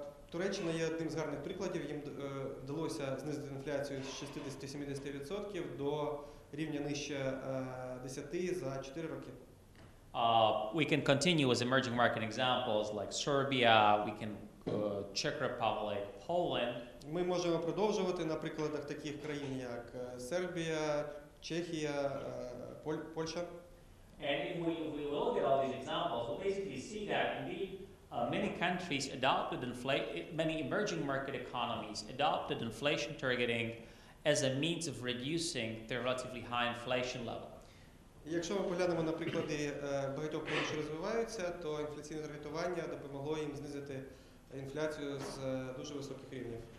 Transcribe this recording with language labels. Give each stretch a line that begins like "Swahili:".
Ukrainian: Туреччина є одним з гарних прикладів. Їм вдалося знизити інфляцію з 60-70% до рівня нижче 10% за 4 роки.
English: We can continue with emerging market examples like Serbia, we can Czech Republic, Poland.
Ukrainian: Ми можемо продовжувати на прикладах таких країн, як Сербія, Чехія, Польща.
English: And if we look at all these examples, we'll basically see that indeed many countries adopted many emerging market economies adopted inflation targeting as a means of reducing their relatively high inflation level.
Ukrainian: Якщо ми поглянемо на приклади багатьох країн, що розвиваються, то інфляційне таргетування допомогло їм знизити інфляцію з дуже високих рівнів.